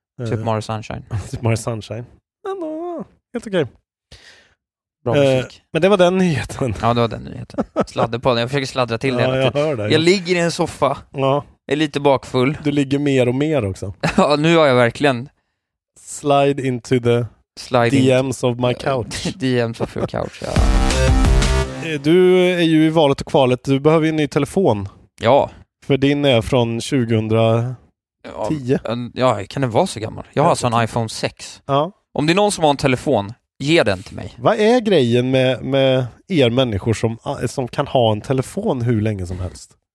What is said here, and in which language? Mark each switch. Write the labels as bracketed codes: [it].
[sv] Typ Mario Sunshine. Typ Mario Sunshine. Men då, helt okej. Men det var den nyheten. Ja, det var den nyheten. Sladdade på den. Jag försöker sladdra till, ja, hela tiden. Jag, det, jag ligger i en soffa. Ja. Är lite bakfull. Du ligger mer och mer också. Ja, nu har jag verkligen... [en] Slide into the slide DMs of my couch. DMs of your couch, ja. [sv] Du är ju i valet och kvalet. Du behöver ju en ny telefon. Ja. För din är från 2010. Ja, kan det vara så gammal? Jag har alltså en iPhone 6. Ja. Om det är någon som har en telefon... Ge den till mig. Vad är grejen med er människor som kan ha en telefon hur länge som helst?